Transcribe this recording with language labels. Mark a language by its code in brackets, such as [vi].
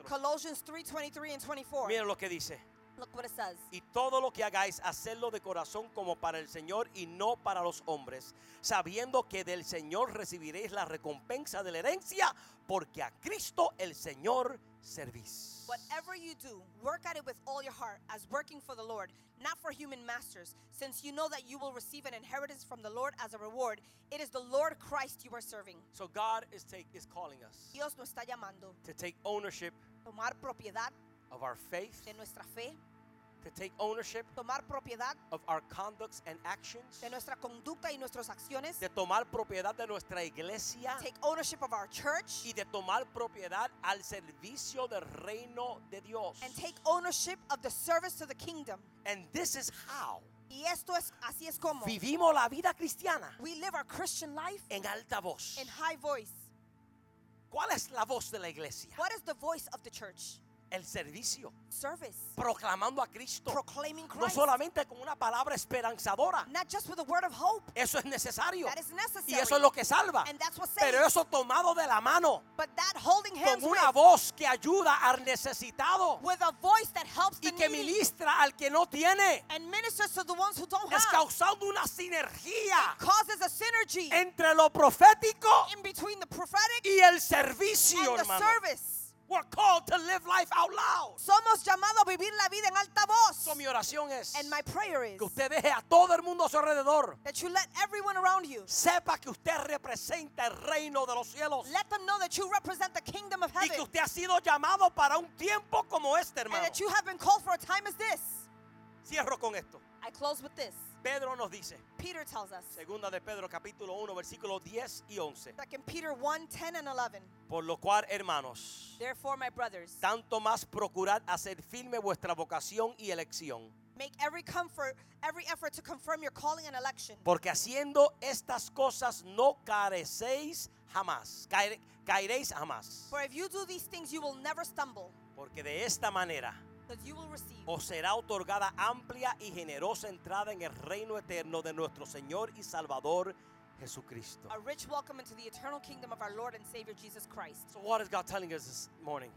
[en] Colossians 3, 23 and 24. [es] Miren lo que dice. [en] Look what it says. [es] Y todo lo que hagáis, hacedlo de corazón como para el Señor y no para los hombres, sabiendo que del Señor recibiréis la recompensa de la herencia, porque a Cristo el Señor servís. [en] Whatever you do, work at it with all your heart, as working for the Lord, not for human masters, since you know that you will receive an inheritance from the Lord as a reward. It is the Lord Christ you are serving. So God is calling us, [es] Dios nos está llamando, [en] to take ownership, [es] tomar propiedad, [en] of our faith, [es] de nuestra fe, [en] to take ownership, [es] tomar propiedad, [en] of our conducts and actions, [es] de nuestra conducta y nuestras acciones, de tomar propiedad de nuestra iglesia, [en] take ownership of our church, [es] y de tomar propiedad al servicio del reino de Dios, [en] and take ownership of the service to the kingdom. And this is how, [es] y esto es, así es como, vivimos la vida cristiana, [en] we live our Christian life, [es] en alta voz, [en] in high voice. [es] ¿Cuál es la voz de la iglesia? [en] What is the voice of the church? [es] el servicio. [en] Service. [es] Proclamando a Cristo. [en] Proclaiming Christ. [es] No solamente con una palabra esperanzadora. [en] Not just with a word of hope. [es] Eso es necesario. [en] That is necessary. [es] Y eso es lo que salva. [en] And that's what saves. [es] Pero eso tomado de la mano. [en] But that holding hands [es] con una [en] with, [es] voz que ayuda al necesitado. [en] With a voice that helps [es] y que ministra al que no tiene. [en] And ministers to the ones who don't [es] have. Es causando una sinergia. [en] It causes a synergy. [es] Entre lo profético. [en] In between the prophetic. [es] Y el servicio, hermano. [en] The service. We're called to live life out loud. [es] Somos llamados a vivir la vida en alta voz. So mi oración es, [en] and my prayer is, [es] que usted deje a todo el mundo a su alrededor, [en] that you let everyone around you, [es] sepa que usted representa el reino de los cielos, [en] let them know that you represent the kingdom of heaven, [es] y que usted ha sido llamado para un tiempo como este, hermano, [en] and that you have been called for a time as this. [es] Cierro con esto. [en] I close with this. [es] Pedro nos dice, [en] Peter tells us, [es] segunda de Pedro capítulo 1 versículo 10 y 11. [en] Second Peter 1, 10 and 11. [es] Por lo cual, hermanos, [en] therefore, my brothers, [es] tanto más procurad hacer firme vuestra vocación y elección. [en] Make every effort to confirm your calling and election. [es] Porque haciendo estas cosas no careceis jamás. Caeréis jamás. [en] For if you do these things, you will never stumble. [es] Porque de esta manera, [en] because you will receive, [es] o será otorgada amplia y generosa entrada en el reino eterno de nuestro Señor y Salvador Jesucristo. [en] A rich welcome into the eternal kingdom of our Lord and Savior Jesus Christ. So what is God telling us this morning?